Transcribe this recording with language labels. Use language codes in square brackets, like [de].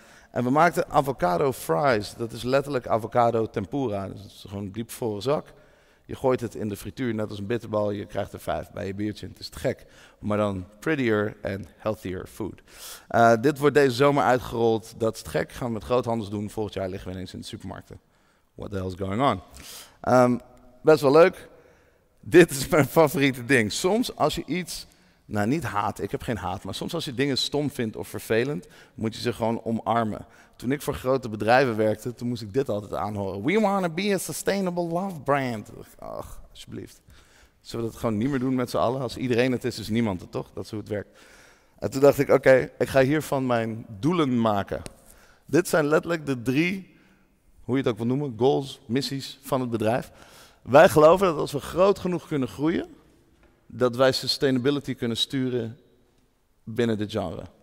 [nl] En we maakten avocado fries. Dat is letterlijk avocado tempura. Dat is gewoon een diepvolle zak. Je gooit het in de frituur, net als een bitterbal. Je krijgt er 5 bij je biertje. Het is te gek. Maar dan [en] prettier [nl] en [en] healthier food. [nl] Dit wordt deze zomer uitgerold. Dat is te gek. Gaan we met groothandels doen. Volgend jaar liggen we ineens in de supermarkten. [en] What the hell is going on? [nl] Best wel leuk. Dit is mijn favoriete ding. Soms als je iets, nou niet haat, ik heb geen haat, maar soms als je dingen stom vindt of vervelend, moet je ze gewoon omarmen. Toen ik voor grote bedrijven werkte, toen moest ik dit altijd aanhoren. [en] We want to be a sustainable love brand. [nl] Ach, alsjeblieft. Zullen we dat gewoon niet meer doen met z'n allen? Als iedereen het is, is niemand het toch? Dat is hoe het werkt. En toen dacht ik, oké, ik ga hiervan mijn doelen maken. Dit zijn letterlijk de 3, hoe je het ook wil noemen, goals, missies van het bedrijf. Wij geloven dat als we groot genoeg kunnen groeien, dat wij sustainability kunnen sturen binnen dit genre.